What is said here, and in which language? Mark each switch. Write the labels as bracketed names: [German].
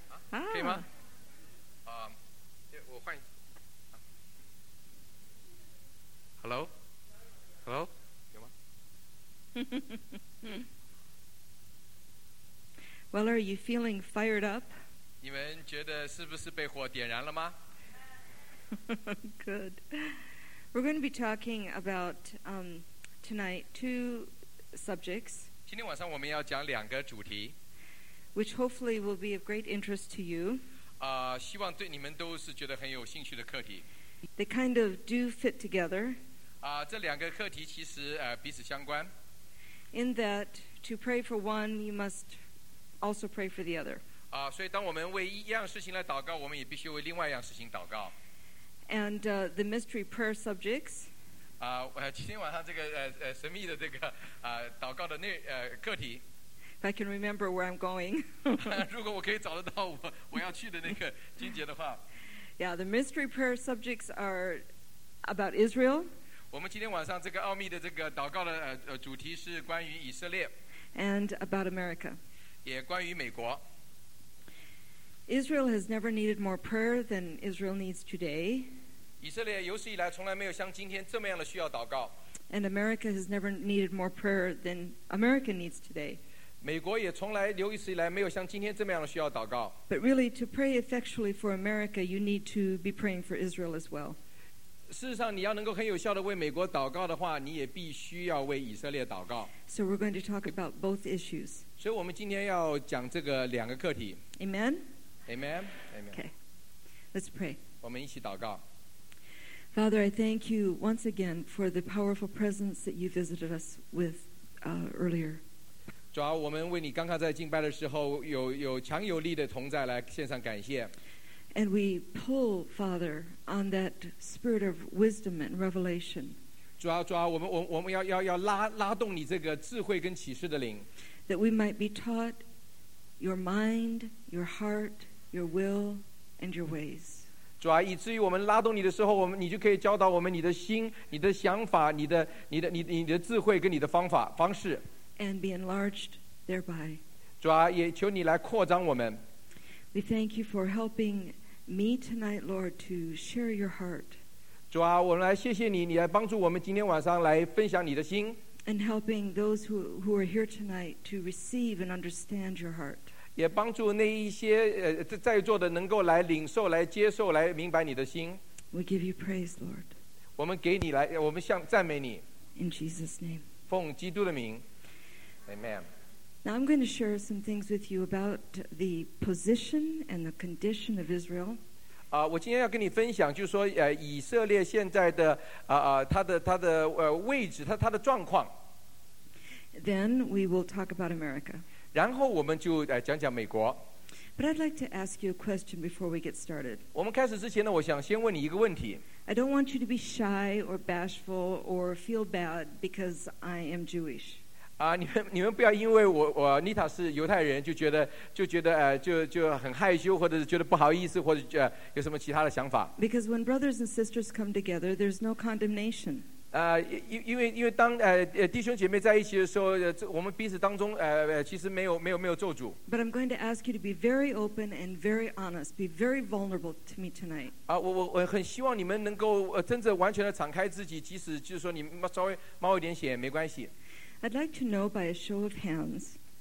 [Chinese] 啊，可以吗？啊，我换。 [English] Hello, hello, 有吗？ Well, are you feeling fired up? [Chinese] 你们觉得是不是被火点燃了吗 [English] ？Good. We're going to be talking about tonight two subjects. [Chinese] 今天晚上我们要讲两个主题 [English] ，which hopefully will be of great interest to you. [Chinese] 啊，希望对你们都是觉得很有兴趣的课题。 [English] They kind of do fit together. [Chinese] 啊，这两个课题其实彼此相关。 [English] In that, to pray for one, you must also pray for the other. [Chinese] 啊，所以当我们为一样事情来祷告，我们也必须为另外一样事情祷告。 [English] And the mystery prayer subjects. [Chinese] 啊，今天晚上这个神秘的这个祷告的课题。 [English] If I can remember where I'm going. [Chinese] 如果我可以找得到我要去的那个经节的话。 [English] Yeah, the mystery prayer subjects are about Israel. [Chinese] 我们今天晚上这个奥秘的这个祷告的主题是关于以色列。 [English] And about America. [Chinese] 也关于美国。 [English] Israel has never needed more prayer than Israel needs today. [Chinese] 以色列有史以来从来没有像今天这么样的需要祷告。 [English] And America has never needed more prayer than America needs today. [Chinese] 美国也从来有史以来没有像今天这么样的需要祷告。 [English] But really, to pray effectually for America, you need to be praying for Israel as well. [Chinese] 事实上，你要能够很有效的为美国祷告的话，你也必须要为以色列祷告。 [English] So we're going to talk about both issues. [Chinese] 所以我们今天要讲这个两个课题。 [English] Amen. Amen. Amen. Okay. Let's pray. [Chinese] 我们一起祷告。 [English] Father, I thank you once again for the powerful presence that you visited us with earlier. [Chinese] 主啊，我们为你刚刚在敬拜的时候有强有力的同在来献上感谢。 [English] And we pull, Father, on that spirit of wisdom and revelation. [Chinese] 主啊，我们要拉动你这个智慧跟启示的灵。 [English] That we might be taught your mind, your heart, your will, and your ways. [Chinese] 主啊，以至于我们拉动你的时候，你就可以教导我们你的心、你的想法、你的智慧跟你的方式。 [English] And be enlarged thereby. [Chinese] 主啊，也求你来扩张我们。 [English] We thank you for helping me tonight, Lord, to share your heart. [Chinese] 主啊，我们来谢谢你，你来帮助我们今天晚上来分享你的心。 [English] And helping those who are here tonight to receive and understand your heart. [Chinese] 也帮助那一些在座的能够来领受、来接受、来明白你的心。 [English] We give you praise, Lord. [Chinese] 我们给你来，我们向赞美你。 [English] In Jesus' name. [Chinese] 奉基督的名。Amen. [English] Now I'm going to share some things with you about the position and the condition of Israel. [Chinese] 我今天要跟你分享，就是说，以色列现在的它的位置，它的状况。 [English] Then we will talk about America. [Chinese] 然后我们就讲讲美国。 [English] But I'd like to ask you a question before we get started. [Chinese] 我们开始之前呢，我想先问你一个问题。 [English] I don't want you to be shy or bashful or feel bad because I am Jewish. [Chinese] 你们不要因为我妮塔是犹太人就觉得就很害羞或者是觉得不好意思或者有什么其他的想法。 [English] Because when brothers and sisters come together, there's no condemnation. [Chinese] 因为当弟兄姐妹在一起的时候，我们彼此当中其实没有咒诅。 [English] But I'm going to ask you to be very open and very honest, be very vulnerable to me tonight. [Chinese] 我很希望你们能够真正完全的敞开自己，即使就是说你们稍微冒一点险没关系。 [English] I'd like to know by a show of hands.